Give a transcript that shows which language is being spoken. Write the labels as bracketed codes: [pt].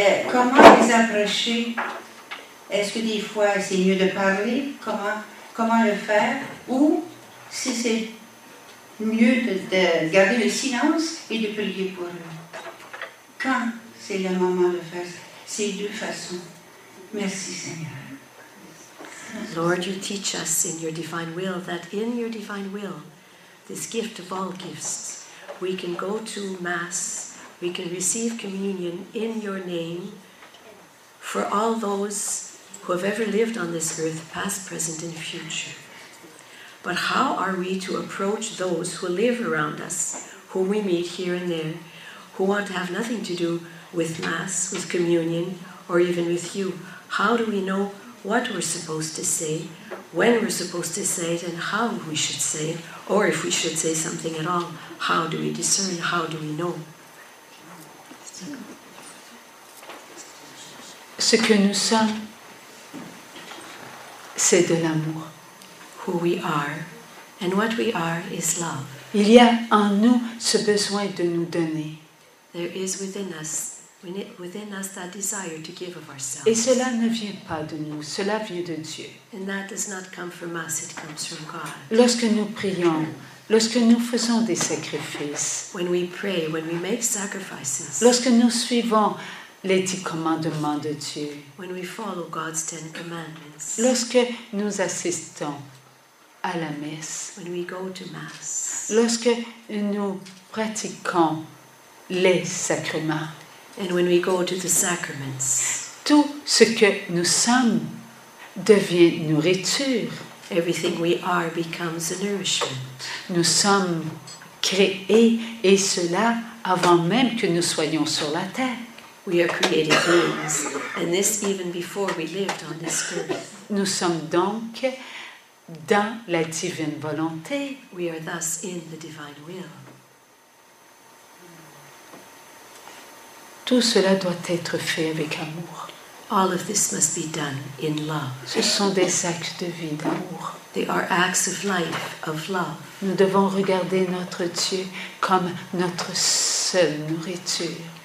[fr] Comment les approcher? Est-ce que des fois c'est mieux de parler? Comment le faire? Ou si c'est mieux de garder le silence et de prier pour eux? Quand c'est le moment de faire ces deux façons? Merci Seigneur. [en] Lord, you teach us in your divine will that in your divine will, this gift of all gifts, we can go to Mass, we can receive communion in your name for all those who have ever lived on this earth, past, present, and future. But how are we to approach those who live around us, whom we meet here and there, who want to have nothing to do with Mass, with communion, or even with you? How do we know what we're supposed to say, when we're supposed to say it, and how we should say it, or if we should say something at all? How do we discern? How do we know? [fr] Ce que nous sommes, c'est de l'amour. [en] Who we are, and what we are, is love. [fr] Il y a en nous ce besoin de nous donner. [en] There is within us. Within us that desire to give of ourselves. [fr] Et cela ne vient pas de nous, cela vient de Dieu. [en] And that does not come from us, it comes from God. [fr] Lorsque nous prions, lorsque nous faisons des sacrifices, [en] when we pray, when we make sacrifices, [fr] lorsque nous suivons les 10 commandements de Dieu, [en] when we follow God's 10 commandments, [fr] lorsque nous assistons à la messe, [en] when we go to mass, [fr] lorsque nous pratiquons les sacrements, [en] and when we go to the sacraments, [fr] tout ce que nous sommes devient nourriture. [en] Everything we are becomes a nourishment. [fr] Nous sommes créés, et cela avant même que nous soyons sur la terre. [en] We are created beings, and this even before we lived on this earth. [fr] Nous sommes donc dans la divine volonté. [en] We are thus in the divine will. [fr] Tout cela doit être fait avec amour. [en] All of this must be done in love. [fr] Ce sont des actes de vie d'amour. [en] They are acts of life, of love. [fr] Nous devons regarder notre Dieu comme notre seule nourriture.